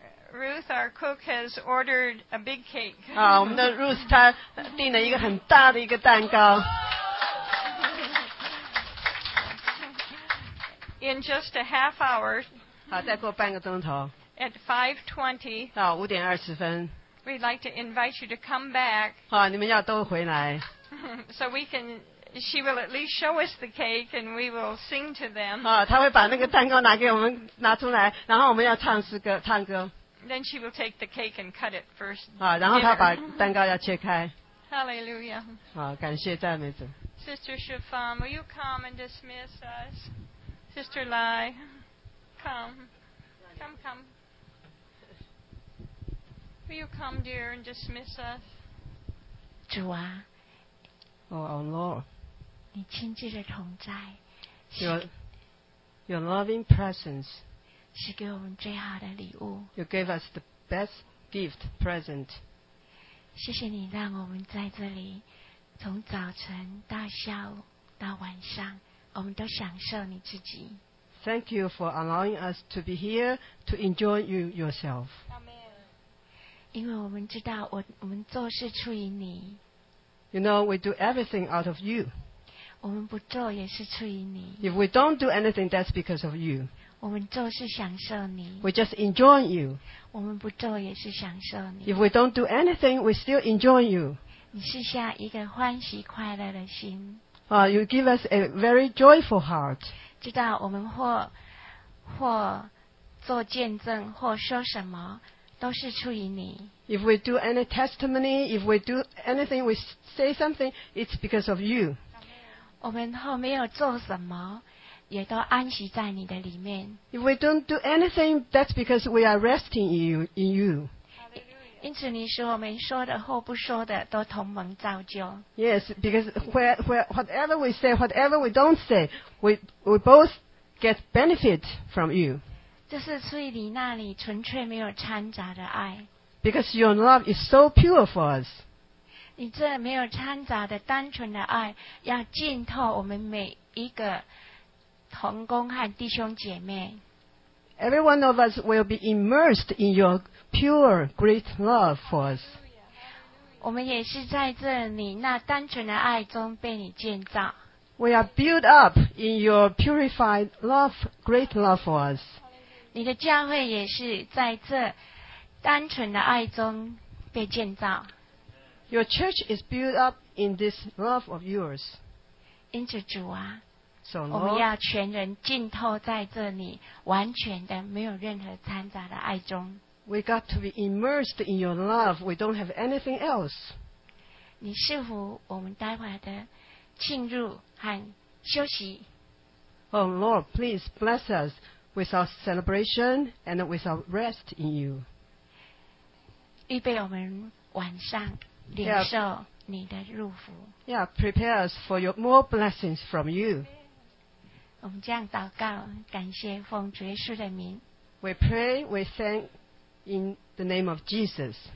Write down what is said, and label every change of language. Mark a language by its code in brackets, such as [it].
[en] ？Ruth, our cook has ordered a big cake. [zh] 啊，我们的 Ruth 她订了一个很大的一个蛋糕。 [en] In just a half hour. [zh] 好，再过半个钟头。 [en] At 5:20. [zh] 到五点二十分。 [en] We'd like to invite you to come back. [zh] 啊，你们要都回来。 [en] So we can. She will at least show us the cake, and we will sing to them. [zh] 啊，她会把那个蛋糕拿给我们拿出来，然后我们要唱诗歌，唱歌。 [en] Then she will take the cake and cut it first. [zh] 啊，然后她把蛋糕要切开。 [en] Hallelujah. [zh] 好，感谢赞美主。 [en] Sister Shafan, will you come and dismiss us? Sister Lai, come. Will you come, dear, and dismiss us? [zh] 主啊。 [en] Oh, our Lord. [zh] 你亲自的同在 [en] your loving presence [zh] 是给我们最好的礼物 [en] You gave us the best gift, present. [zh] 谢谢你让我们在这里从早晨到下午到晚上我们都享受你自己 [en] Thank you for allowing us to be here to enjoy you yourself. Amen. [zh] 因为我们知道 我们做事出于你 [en] You know, we do everything out of you. [zh] 我们不做也是出于你。 [en] If we don't do anything, that's because of you. [zh] 我们做是享受你。 [en] We just enjoy you. [zh] 我们不做也是享受你。 [en] If we don't do anything, we still enjoy you. [zh] 你赐下一个欢喜快乐的心。 [en] You give us a very joyful heart. [zh] 知道我们或做见证或说什么都是出于你。 [en] If we do any testimony, if we do anything, we say something, it's because of you. [zh] 我们后没有做什么，也都安息在你的里面。 [en] If we don't do anything, that's because we are resting in you. [zh] 因此你使我们说的或不说的都同盟造就。 [en] Yes, because whatever we say, whatever we don't say, we both get benefit from you. [zh] 这是出于你那里纯粹没有掺杂的爱。 [en] Because your love is so pure for us. [zh] 你这没有掺杂的单纯的爱要浸透我们每一个同工和弟兄姐妹。 [en] Every one of us will be immersed in your pure, great love for us. [zh] 我们也是在这里那单纯的爱中被你建造。 [en] We are built up in your purified love, great love for us. [zh] 你的教会也是在这单纯的爱中被建造。 [en] Your church is built up in this love of yours. [zh] 因此主啊 [en] so, Lord, [zh] 我们要全人浸透在这里完全的没有任何掺杂的爱中。 [en] We got to be immersed in your love. We don't have anything else. [zh] 你祝福我们待会的进入和休息。 [en] Oh Lord, please bless us with our celebration and with our rest in you. [zh] 预备我们晚上领受你的祝福。 [en] Yeah, prepare us for your more blessings from you. [zh] 我们这样祷告，感谢奉主耶稣的名。 [en] We pray, we thank in the name of Jesus.